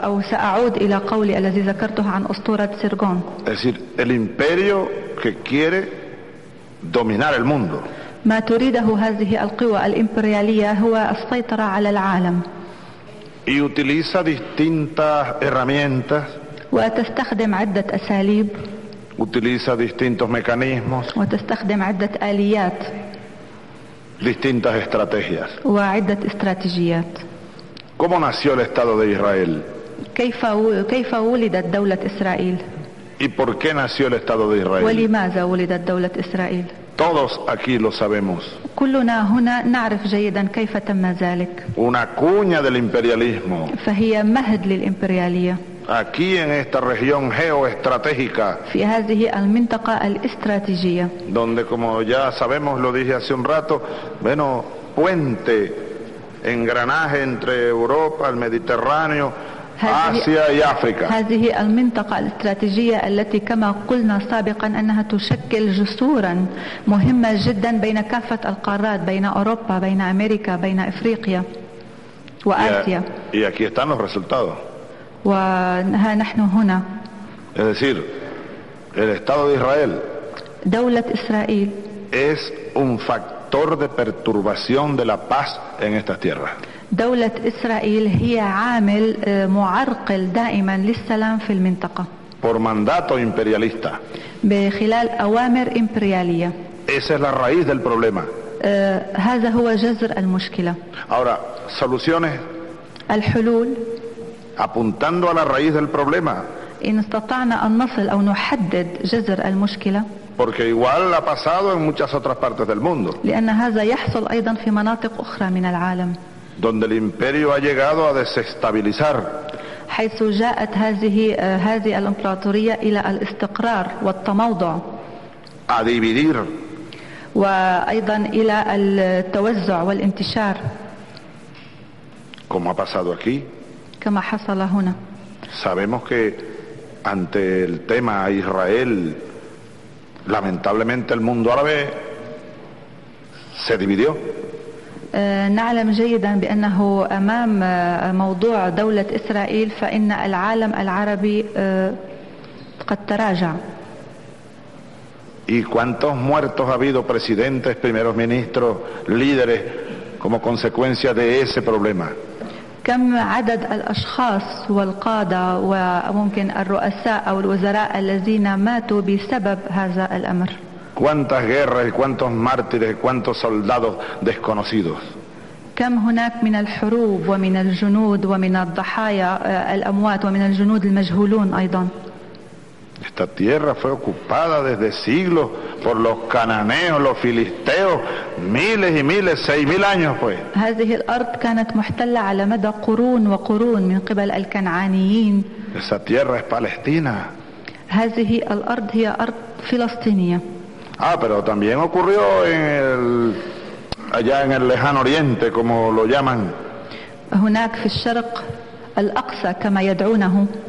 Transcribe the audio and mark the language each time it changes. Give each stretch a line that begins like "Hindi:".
Arabic: سأعود إلى قولي الذي ذكرته عن أسطورة سيرغون.
Spanish: Es decir, el imperio que quiere dominar el mundo.
Arabic: ما تريده هذه القوى الإمبريالية هو السيطرة على العالم.
Spanish: Y utiliza distintas herramientas.
Arabic: وتستخدم عدة أساليب.
Spanish: Utiliza distintos mecanismos.
Arabic: وتستخدم عدة آليات.
Spanish: Distintas estrategias.
Arabic: وعدة استراتيجيات.
Spanish: ¿Cómo nació el Estado de Israel?
Arabic: كيف ولدت دولة إسرائيل؟
Spanish: ¿Y por qué nació el Estado de Israel?
Arabic: ولماذا ولدت دولة إسرائيل؟
Spanish: Todos aquí lo sabemos.
Arabic: كلنا هنا نعرف جيدا كيف تم ذلك.
Spanish: Una cuña del imperialismo.
Arabic: فهي مهد للإمبريالية.
Spanish: Aquí en esta región geoestratégica.
Arabic: في هذه المنطقة الاستراتيجية.
Spanish: Donde como ya sabemos, lo dije hace un rato, bueno, puente. Engranaje entre Europa, el Mediterráneo, Asia y África.
Arabic: هذه المنطقة الاستراتيجية التي كما قلنا سابقا أنها تشكل جسورا مهمة جدا بين كافة القارات بين أوروبا بين أمريكا بين أفريقيا وآسيا.
Spanish: Y aquí están los resultados.
Arabic: وها نحن هنا.
Spanish: Es decir, el Estado de Israel.
Arabic: دولة إسرائيل.
Spanish: Es un factor. Factor de perturbación de la paz en esta tierra.
Arabic: دولة إسرائيل هي عامل معرقل دائما للسلام في المنطقة.
Spanish: Por mandato imperialista.
Arabic: بخلال أوامر إمبريالية.
Spanish: Esa es la raíz del problema.
Arabic: هذا هو جذر المشكلة.
Spanish: Ahora, soluciones.
Arabic: الحلول.
Spanish: Apuntando a la raíz del problema.
Arabic: إن استطعنا أن نصل أو نحدد جذر المشكلة.
Spanish: Porque igual ha pasado en muchas otras partes del mundo.
Arabic: لأن هذا يحصل أيضا في مناطق أخرى من العالم.
Spanish: Donde el imperio ha llegado a desestabilizar.
Arabic: حيث جاءت هذه الإمبراطورية إلى الاستقرار والتموضع.
Spanish: A dividir.
Arabic: وأيضا إلى التوزع والانتشار.
Spanish: Como ha pasado aquí.
Arabic: كما حصل هنا.
Spanish: Sabemos que ante el tema Israel. Lamentablemente el mundo árabe se dividió.
Arabic: نعلم جيدا بأنه أمام موضوع دولة إسرائيل فإن العالم العربي قد تراجع.
Spanish: ¿Y cuántos muertos ha habido presidentes, primeros ministros, líderes como consecuencia de ese problema?
Arabic: كم عدد الأشخاص والقادة وممكن الرؤساء أو الوزراء الذين ماتوا بسبب هذا الأمر؟
Spanish: ¿Cuántas guerras y cuántos mártires y cuántos soldados desconocidos?
Arabic: كم هناك من الحروب ومن الجنود ومن الضحايا الأموات ومن الجنود المجهولون أيضا.
Spanish: Esta tierra fue ocupada desde siglos por los cananeos, los filisteos, miles y miles, 6000 años pues.
Arabic: هذه الأرض كانت محتلة على مدى قرون وقرون من قبل الكنعانيين.
Spanish: Esa tierra es Palestina.
Arabic: هذه الأرض هي أرض فلسطينية.
Spanish: Ah, pero también ocurrió en el allá en el lejano oriente, como lo llaman.
Arabic: هناك في الشرق الأقصى كما يدعونه.